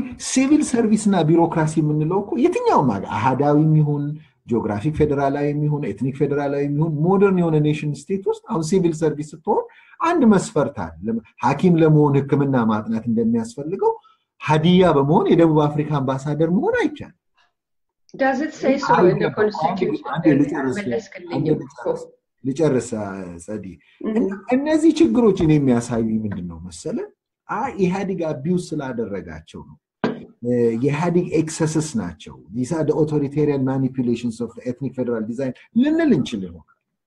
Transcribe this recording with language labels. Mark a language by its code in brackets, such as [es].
[am] ሲቪል ሰርቪስ እና ቢሮክራሲ የምንለው እኮ የትኛውም አገር አህዳዊም ይሁን ጂኦግራፊክ ፌዴራላዊም ይሁን ኤትኒክ ፌዴራላዊም ይሁን ሞደርን የሆነ ኔሽን ስቴት ውስጥ አሁን ሲቪል ሰርቪስ ስትሆን አንድ መስፈርት አለ። ሐኪም ለመሆን ሕክምና ማጥናት እንደሚያስፈልገው ሀዲያ በመሆን የደቡብ አፍሪካ አምባሳደር መሆን አይቻልም። [en] Does it say so in the constitution? [am] ልጨርስ ጸዲ። እነዚህ ችግሮች እኔ የሚያሳዩ ምንድን ነው መሰለ፣ ኢህአዲግ አቢውስ ስላደረጋቸው ነው። የኢህአዲግ ኤክሰስስ ናቸው። [en] ዲስ አር ዘ ኦቶሪቴሪያን ማኒፕሌሽንስ ኦፍ ኤትኒክ ፌዴራል ዲዛይን [am] ልንል እንችል ይሆናል።